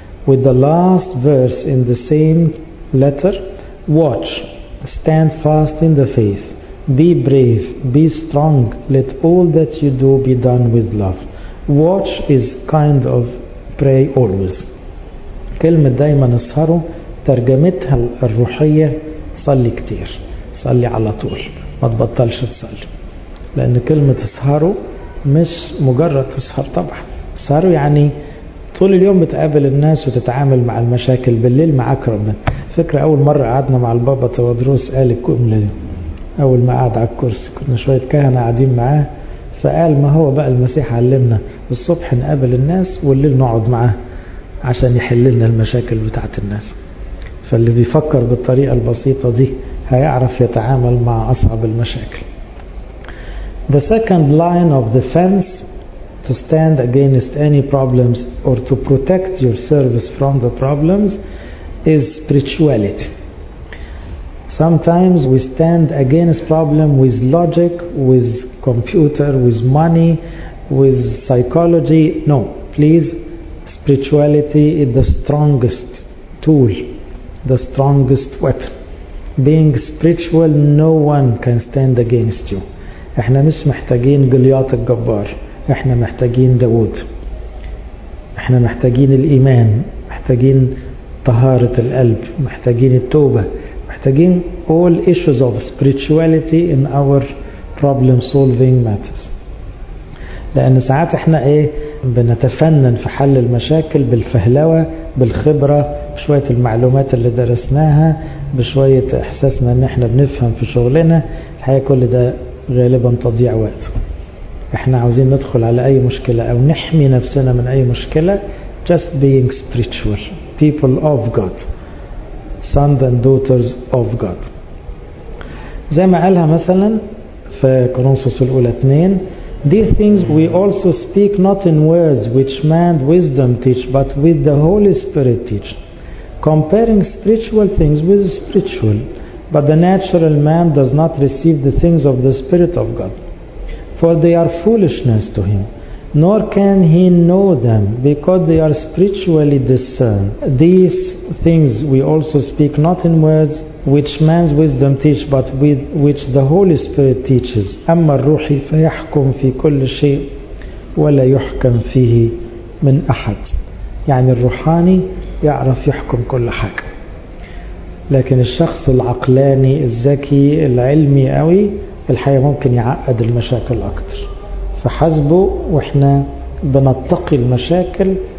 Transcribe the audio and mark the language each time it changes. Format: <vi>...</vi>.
<en>With the last verse in the same letter, watch, stand fast in the faith, be brave, be strong, let all that you do be done with love. Watch is kind of pray always.</en> <ar>كلمة دايما اسهروا ترجمتها الروحية صلي كتير، صلي على طول ما تبطلش تصلي، لأن كلمة اسهروا مش مجرد تسهر طبعا، اسهروا يعني طول اليوم بتقابل الناس وتتعامل مع المشاكل، بالليل معاك ربنا. فكرة أول مرة قعدنا مع البابا تودروس قال الكلمة دي أول ما قعد على الكرسي، كنا شوية كهنة قاعدين معاه، فقال ما هو بقى المسيح علمنا الصبح نقابل الناس والليل نقعد معاه عشان يحل لنا المشاكل بتاعت الناس. فاللي بيفكر بالطريقة البسيطة دي هيعرف يتعامل مع أصعب المشاكل.</ar> <en>The second line of defense to stand against any problems or to protect your service from the problems is spirituality. Sometimes we stand against problems with logic, with computer, with money, with psychology. No, please, spirituality is the strongest tool, the strongest weapon. Being spiritual, no one can stand against you.</en> <ar>احنا مش محتاجين جلياط الجبار، احنا محتاجين داود، احنا محتاجين الايمان، محتاجين طهارة القلب، محتاجين التوبة، محتاجين</ar> <en>all issues of spirituality in our problem solving matters.</en> <ar>لان ساعات احنا ايه بنتفنن في حل المشاكل بالفهلوة، بالخبرة، بشوية المعلومات اللي درسناها، بشوية احساسنا ان احنا بنفهم في شغلنا. الحقيقة كل ده غالبا تضيع وقت. احنا عاوزين ندخل على اي مشكلة او نحمي نفسنا من اي مشكلة</ar> <en>just being spiritual people of God, sons and daughters of God.</en> <ar>زي ما قالها مثلا في كورنثوس الاولى 2،</ar> <en>these things we also speak not in words which man wisdom teach but with the Holy Spirit teach, comparing spiritual things with spiritual. But the natural man does not receive the things of the Spirit of God, for they are foolishness to him, nor can he know them because they are spiritually discerned. These things we also speak not in words which man's wisdom teach but with which the Holy Spirit teaches.</en> <ar>أما الروح فيحكم في كل شيء ولا يحكم فيه من أحد. يعني الروحاني يعرف يحكم كل حاجة، لكن الشخص العقلاني الذكي العلمي قوي الحقيقة ممكن يعقد المشاكل أكتر. فحسبه وإحنا بنتقي المشاكل</ar>